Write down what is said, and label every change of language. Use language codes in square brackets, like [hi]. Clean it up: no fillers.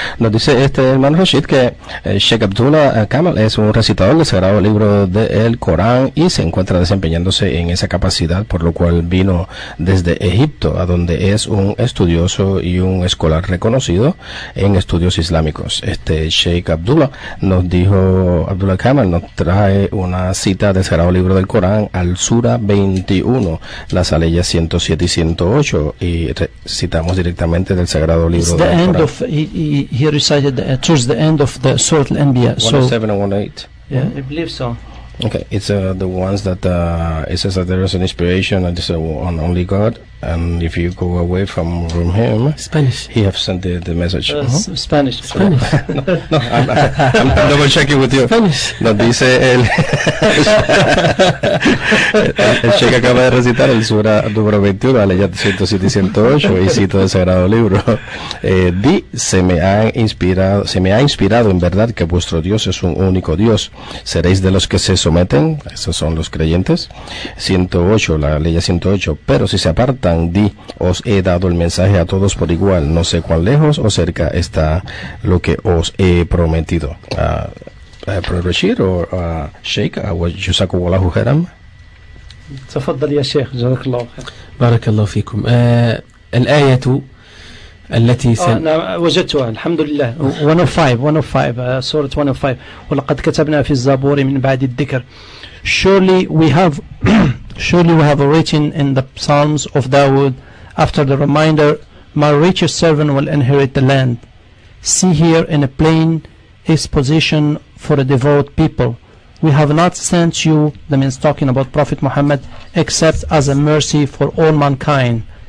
[es] Nos dice este hermano Rashid que Sheikh Abdullah Kamal es un recitador del Sagrado Libro del Corán y se encuentra desempeñándose en esa capacidad, por lo cual vino desde Egipto, a donde es un estudioso y un escolar reconocido en estudios islámicos. Este Sheikh Abdullah nos dijo, Abdullah Kamal nos trae una cita del Sagrado Libro del Corán, al Sura 21, las aleyas 107 y 108, y citamos directamente del Sagrado Libro del Corán. [en] He recited towards the end of the Surah Al-Anbiya. 107 and 108. Yeah, I believe so. Okay, it's the ones that it says that there is an inspiration and it's on only God, and if you go away from him, Spanish, he have sent the message. Spanish. So, Spanish. No, I'm double checking with you. Spanish. [es] No, dice el Sheikh acaba de recitar el Sura número 21, la ley 107 y 108, y cito del Sagrado Libro. Se me ha inspirado en verdad que vuestro Dios es un único Dios. Seréis de los que se someten, esos son los creyentes. 108, la ley 108, pero si se aparta, Tandí, os he dado el mensaje a todos por igual. No sé cuán lejos o cerca está lo que os he prometido. [en] Brother Rashid or Sheikh, Jazakum Allahu Khairan. [ar] تفضل يا شيخ جزاك الله خير. بارك الله فيكم. الآية التي وجدتها الحمد لله. 105 سورة 105. ولقد كتبنا في الزبور من بعد الذكر. [en] Surely we have written in the Psalms of Dawood after the reminder My richest servant will inherit the land. See here in a plain exposition for a devout people. We have not sent you, that means talking about Prophet Muhammad, except as a mercy for all mankind.